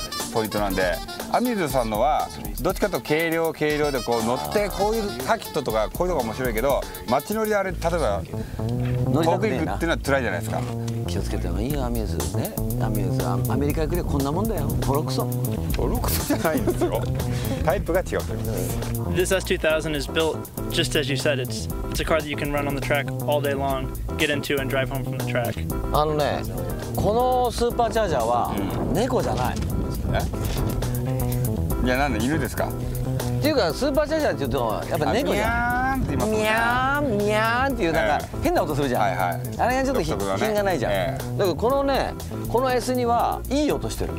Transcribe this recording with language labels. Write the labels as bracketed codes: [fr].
[ja] ポイントなんで、アミズさんのはどっちかというと軽量軽量でこう乗ってこういうサーキットとかこういうのが面白いけど、街乗りであれ例えば遠く行くっていうのは辛いじゃないですか。気をつけてもいいよアミューズね。アミューズはアメリカ行くでこんなもんだよ。ボロクソ。ボロクソじゃないんですよ。タイプが違う。 [en] This S2000 is built just as you said. It's a car that you can run on the track all day long, get into and drive home from the track. [ja] あのね、このスーパーチャージャーは猫じゃない。いやなんで犬ですか。っていうかスーパーチャージャーって言うとやっぱ猫じゃん。ミャーンミャーンっていうなんか変な音するじゃん、はいはい、あれがちょっと、ね、品がないじゃん、だからこのねこの S にはいい音してる。